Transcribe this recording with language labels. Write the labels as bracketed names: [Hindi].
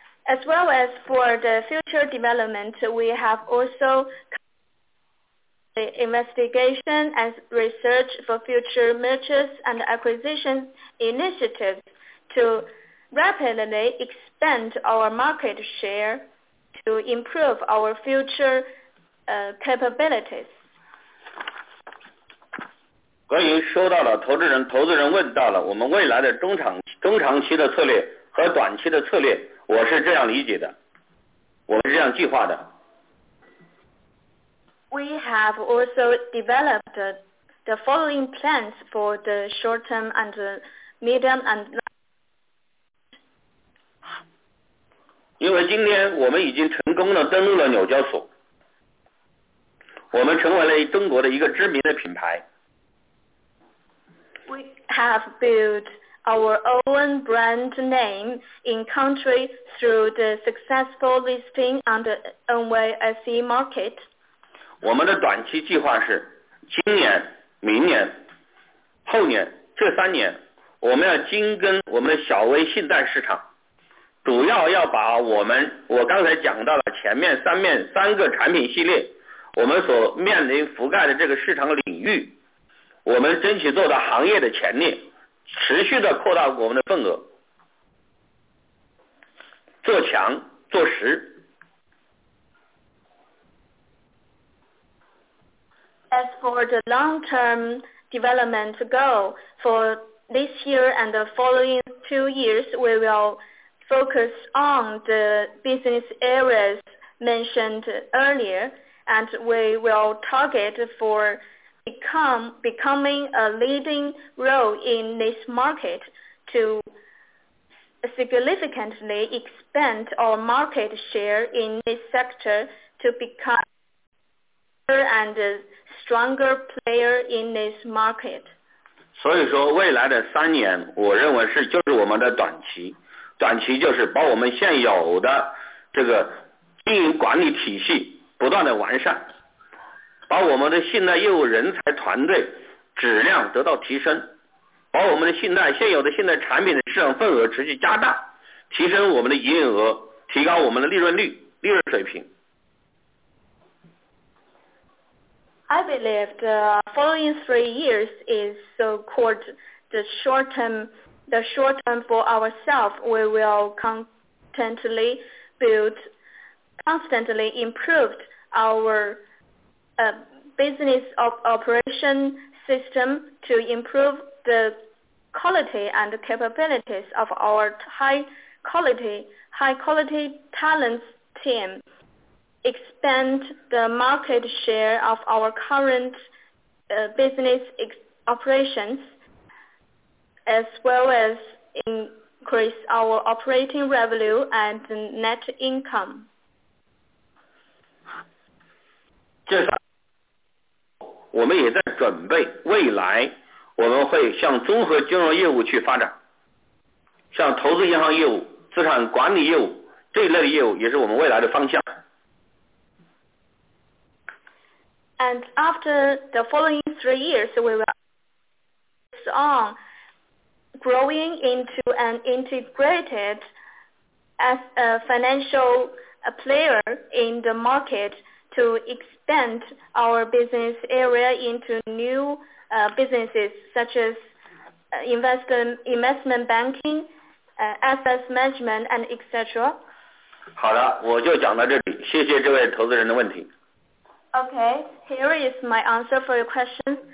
[English] As well as for the future development, we have also the investigation and research for future mergers and acquisition initiatives to rapidly expand our market share to improve our future capabilities. [Chinese] 关于收到了投资人问到了我们未来的中长期的策略和短期的策略，我是这样理解的，我是这样计划的。 [English] We have also developed the following plans for the short term and the medium and long term. [Chinese] 因为今天我们已经成功地登陆了纽交所，我们成为了中国的一个知名的品牌。 [English] We have built our own brand name in country through the successful listing on the NYSE market. [Chinese] 我们的短期计划是今年、明年、后年这三年，我们要精耕我们的小微信贷市场，主要要把我刚才讲到了前面三个产品系列，我们所面临覆盖的这个市场领域，我们争取做到行业的前列，持续的扩大我们的份额，做强做实。 [English] As for the long-term development goal for this year and the following 2 years, we will focus on the business areas mentioned earlier, and we will target for becoming a leading role in this market to significantly expand our market share in this sector to become and stronger player in this market. [Chinese] 所以说未来的三年我认为是就是我们的短期，就是把我们现有的这个经营管理体系不断的完善。把我们的信贷业务人才团队质量得到提升，把我们的信贷现有的信贷产品的市场份额持续加大，提升我们的营业额，提高我们的利润率、利润水平。 [English] I believe the following 3 years is so-called the short term for ourselves. We will constantly improve our business of operation system to improve the quality and capabilities of our high quality talents team. Expand the market share of our current business operations, as well as increase our operating revenue and net income. [Chinese] 接下来，我们也在准备未来，我们会向综合金融业务去发展，像投资银行业务、资产管理业务这一类的业务，也是我们未来的方向。 [English] And after the following 3 years, we will focus on growing into an integrated as a financial player in the market to expand our business area into new businesses such as investment banking, asset management, and etc. [Chinese] 好的，我就讲到这里，谢谢这位投资人的问题。 [English] Okay, here is my answer for your question.